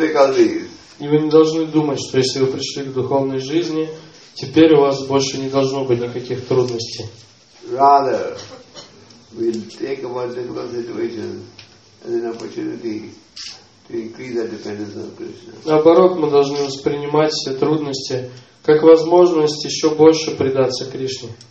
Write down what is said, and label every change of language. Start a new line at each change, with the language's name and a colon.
Russian: И вы не должны думать, что если вы пришли к духовной жизни, теперь у вас больше не должно быть никаких трудностей.
English: Rather, we'll take about difficult situations as an opportunity to increase our dependence on Krishna.
Russian: Наоборот, мы должны воспринимать все трудности как возможность еще больше предаться Кришне.